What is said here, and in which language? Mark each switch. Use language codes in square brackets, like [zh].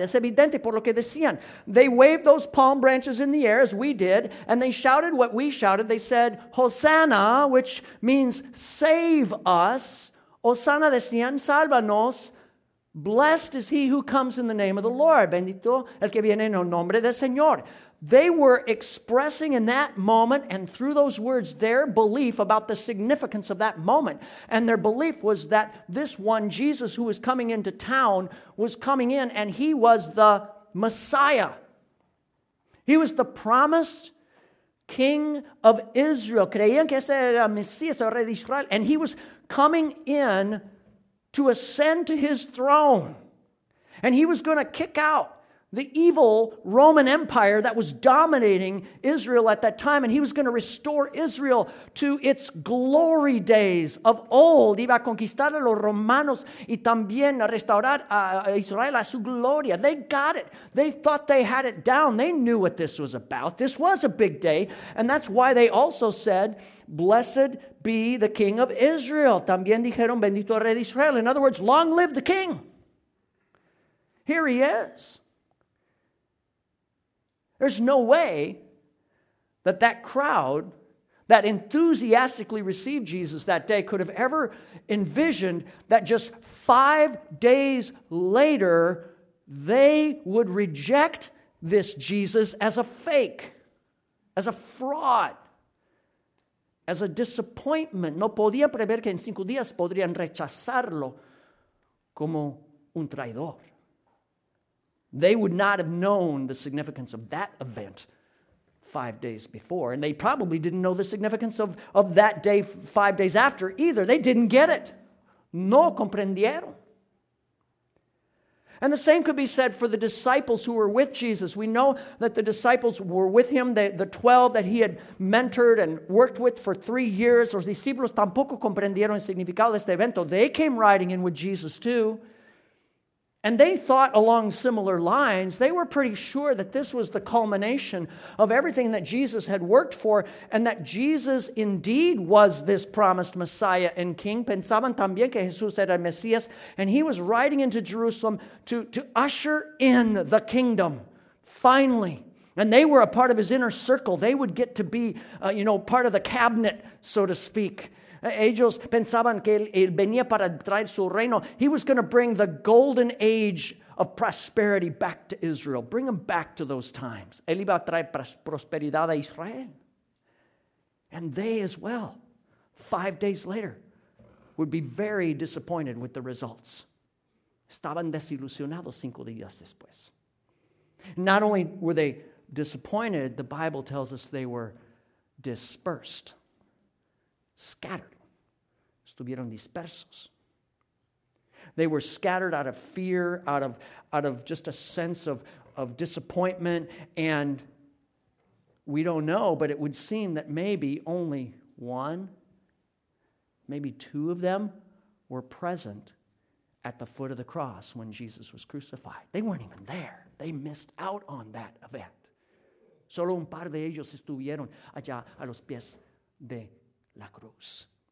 [es] Es evidente por lo que decían. [en] They waved those palm branches in the air as we did, and they shouted what we shouted. They said, Hosanna, which means save us. Hosanna, [es] decían, sálvanos. [en] Blessed is he who comes in the name of the Lord. [es] Bendito el que viene en el nombre del Señor. [en] They were expressing in that moment and through those words their belief about the significance of that moment. And their belief was that this one, Jesus, who was coming into town, was coming in and he was the Messiah. He was the promised King of Israel. [es] Creían que ese era Mesías, el rey de Israel. [en] And he was coming in to ascend to his throne. And he was going to kick out the evil Roman Empire that was dominating Israel at that time, and he was going to restore Israel to its glory days of old. [es] Iba a conquistar a los romanos y también a restaurar a Israel a su gloria. [en] They got it. They thought they had it down. They knew what this was about. This was a big day, and that's why they also said, blessed be the king of Israel. [es] También dijeron, bendito rey de Israel. [en] In other words, long live the king. Here he is. There's no way that that crowd that enthusiastically received Jesus that day could have ever envisioned that just 5 days later, they would reject this Jesus as a fake, as a fraud, as a disappointment. [es] No podían prever que en 5 días podrían rechazarlo como un traidor. [en] They would not have known the significance of that event 5 days before. And they probably didn't know the significance of that day 5 days after either. They didn't get it. [es] No comprendieron. [en] And the same could be said for the disciples who were with Jesus. We know that the disciples were with him, the 12 that he had mentored and worked with for 3 years. [es] Los discípulos tampoco comprendieron el significado de este evento. [en] They came riding in with Jesus too. And they thought along similar lines. They were pretty sure that this was the culmination of everything that Jesus had worked for, and that Jesus indeed was this promised Messiah and King. [es] Pensaban también que Jesús era el Mesías, [en] and he was riding into Jerusalem to usher in the kingdom, finally. And they were a part of his inner circle. They would get to be, part of the cabinet, so to speak. [es] Ellos pensaban que él venía para traer su reino. [en] He was going to bring the golden age of prosperity back to Israel. Bring them back to those times. [es] Él iba a traer prosperidad a Israel. [en] And they as well, 5 days later, would be very disappointed with the results. [es] Estaban desilusionados 5 días después. [en] Not only were they disappointed, the Bible tells us they were dispersed, scattered. [es] Estuvieron dispersos. [en] They were scattered out of fear, out of just a sense of disappointment. And we don't know, but it would seem that maybe only one, maybe two of them were present at the foot of the cross when Jesus was crucified. They weren't even there. They missed out on that event. [es] Solo un par de ellos estuvieron allá a los pies de la cruz.